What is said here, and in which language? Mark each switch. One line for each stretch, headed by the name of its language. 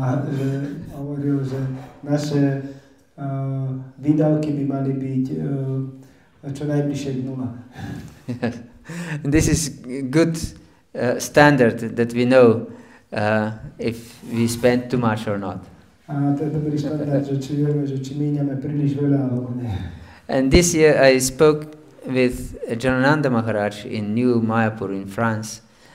Slovak: Že hovoril, že naše výdavky by mali byť čo najbližšie k nule.
English: This is good standard that we know if we spend too much or not.
Slovak: A to je dobrý standard, že či vieme, že či míňame príliš veľa alebo nie.
English: And this year I spoke with Jnananda Maharaj in New Mayapur in France.